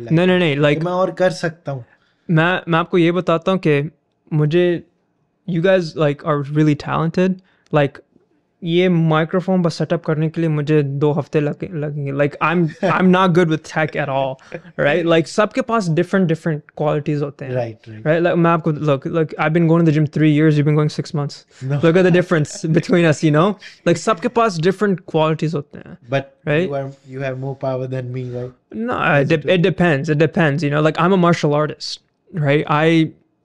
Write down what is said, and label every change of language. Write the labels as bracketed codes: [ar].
[en] life. No, no, like, [hi] main aur kar sakta hu. Main aapko ye batata hu ki मुझे, [en] you guys like are really talented, [hi] like ये microphone बस setup करने के लिए मुझे 2 हफ्ते लगेंगे, [en] like I'm not good with tech at all, right? [hi] Like सबके पास different qualities होते हैं, [en] right? Like [hi] मैं आपको, [en] look I've been going to the gym 3 years, you've been going 6 months, no. Look at the difference between us, you know, like [hi] सबके पास different qualities होते हैं, [en] but right, you have more power than me, right? No, it depends, you know, like I'm a martial artist, right?